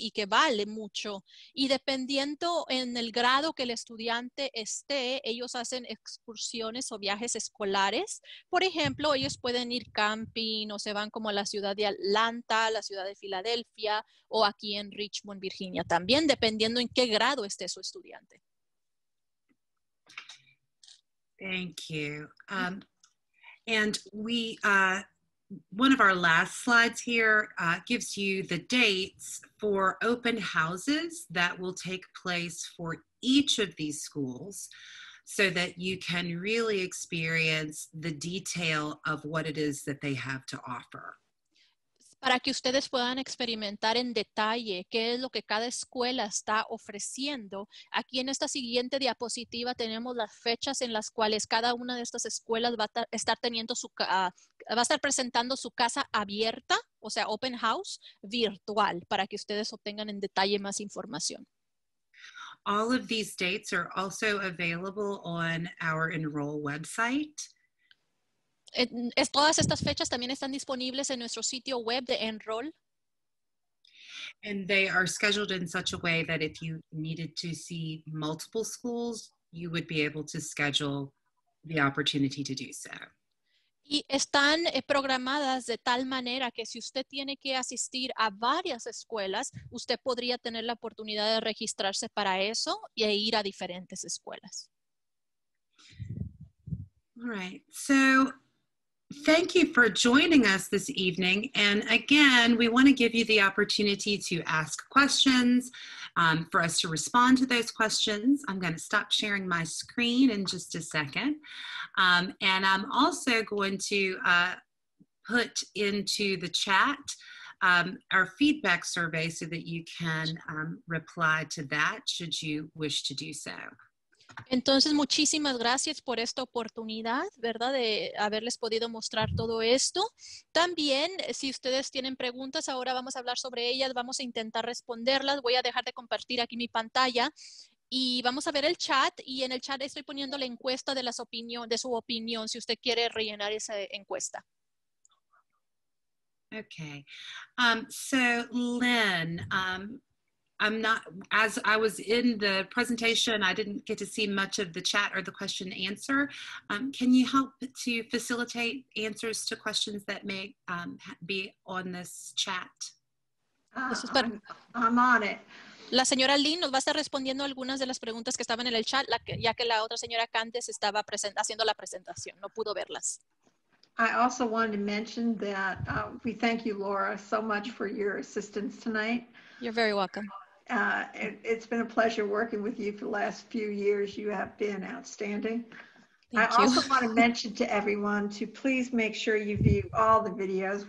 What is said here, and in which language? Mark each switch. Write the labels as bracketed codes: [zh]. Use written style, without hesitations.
[es] Y que vale mucho. Y dependiendo en el grado que el estudiante esté, ellos hacen excursiones o viajes escolares. Por ejemplo, ellos pueden ir camping o se van como a la ciudad de Atlanta, la ciudad de Filadelfia o aquí en Richmond, Virginia. También dependiendo en qué grado esté su estudiante. [en] Thank you. And we, one of our last slides here gives you the dates for open houses that will take place for each of these schools so that you can really experience the detail of what it is that they have to offer. [es] Para que ustedes puedan experimentar en detalle qué es lo que cada escuela está ofreciendo, aquí en esta siguiente diapositiva tenemos las fechas en las cuales cada una de estas escuelas va a estar presentando su casa abierta, o sea, [en] open house [es] virtual, para que ustedes obtengan en detalle más información. [en] All of these dates are also available on our enroll website. [es] Todas estas fechas también están disponibles en nuestro sitio web de Enroll. [en] And they are scheduled in such a way that if you needed to see multiple schools, you would be able to schedule the opportunity to do so. [es] Y están programadas de tal manera que si usted tiene que asistir a varias escuelas, usted podría tener la oportunidad de registrarse para eso y ir a diferentes escuelas. [en] All right. So, thank you for joining us this evening. And again, we want to give you the opportunity to ask questions, for us to respond to those questions. I'm going to stop sharing my screen in just a second. And I'm also going to put into the chat our feedback survey so that you can reply to that should you wish to do so. [es] Entonces, muchísimas gracias por esta oportunidad, ¿verdad?, de haberles podido mostrar todo esto. También, si ustedes tienen preguntas, ahora vamos a hablar sobre ellas, vamos a intentar responderlas. Voy a dejar de compartir aquí mi pantalla y vamos a ver el chat. Y en el chat estoy poniendo la encuesta de su opinión, si usted quiere rellenar esa encuesta. [en] Okay. So, Lynn, I'm not, as I was in the presentation, I didn't get to see much of the chat or the question answer. Can you help to facilitate answers to questions that may be on this chat? I'm on it. [es] La señora Lynn nos va a estar respondiendo algunas de las preguntas que estaban en el chat, ya que la otra señora Candice estaba haciendo la presentación, no pudo verlas. [en] I also wanted to mention that we thank you, Laura, so much for your assistance tonight. You're very welcome. It's been a pleasure working with you for the last few years. You have been outstanding. Thank you. I also want to mention to everyone to please make sure you view all the videos.